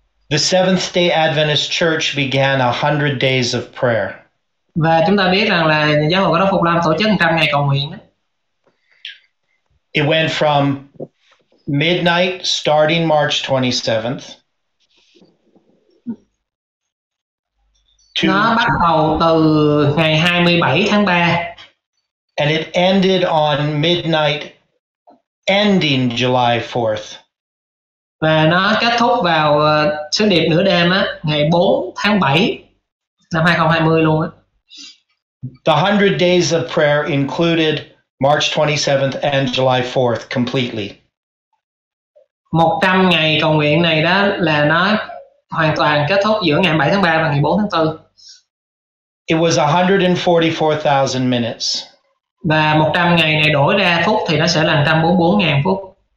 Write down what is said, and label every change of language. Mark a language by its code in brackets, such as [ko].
[en] The Seventh Day Adventist Church began 100 days of prayer. [vi] Và chúng ta biết rằng là Giáo hội Cơ đốc Phục Lâm tổ chức 100 ngày cầu nguyện. [en] It went from midnight starting March 27th. [vi] Nó bắt đầu từ ngày 27 tháng 3. [en] And it ended on midnight ending July 4th. [vi] Và nó kết thúc vào sứ điệp nửa đêm á, ngày 4 tháng 7 năm 2020 luôn á. [en] The 100 days of prayer included March 27th and July 4th completely. [vi] 100 ngày cầu nguyện này đó là nó hoàn toàn kết thúc giữa ngày 7 tháng 3 và ngày 4 tháng 4. [en] It was 144,000 minutes. [vi] Và 100 ngày này đổi ra phút thì nó sẽ là 144.000 phút.